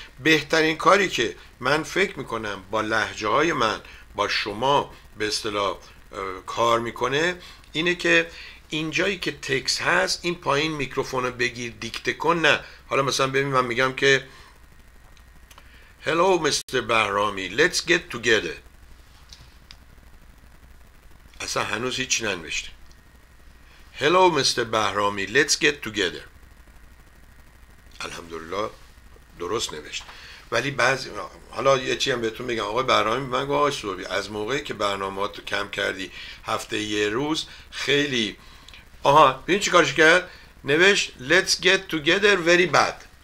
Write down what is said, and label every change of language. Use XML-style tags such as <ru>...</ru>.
<fa>بهترین کاری که من فکر میکنم با لهجه های من با شما به اصطلاح کار میکنه اینه که اینجایی که تکس هست این پایین میکروفونو بگیر دیکته کن. نه حالا مثلا ببین من میگم که</fa> <en>Hello Mr. Bahrami, let's get together.</en> <fa>اصلا هنوز هیچی ننوشته.</fa> <en>Hello Mr. Bahrami, let's get together.</en> <fa>الحمدلله درست نوشت. ولی بعضی حالا یه چی هم بهتون میگم آقای بهرامی، من گفتم آقای سوربی از موقعی که برنامه‌ات رو کم کردی هفته یه روز خیلی آها ببین چی کارش کرد، نوشت</fa> <en>let's get together very bad.</en>